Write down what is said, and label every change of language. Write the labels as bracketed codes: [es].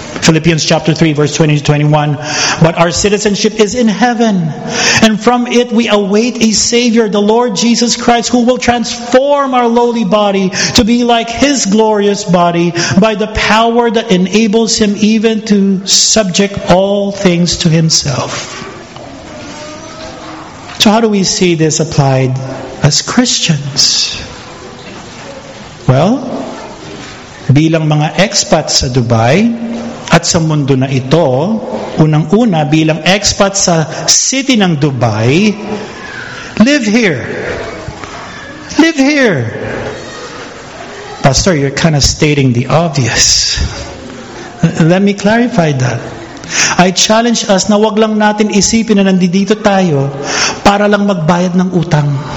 [en] Philippians chapter 3, verse 20 to 21. But our citizenship is in heaven, and from it we await a Savior, the Lord Jesus Christ, who will transform our lowly body to be like His glorious body by the power that enables Him even to subject all things to Himself. So how do we see this applied as Christians? [tl] Well, bilang mga expats sa Dubai, at sa mundo na ito, unang-una bilang expat sa city ng Dubai, [en] live here. Live here. Pastor, you're kind of stating the obvious. Let me clarify that. I challenge us [tl] na wag lang natin isipin na nandito tayo para lang magbayad ng utang.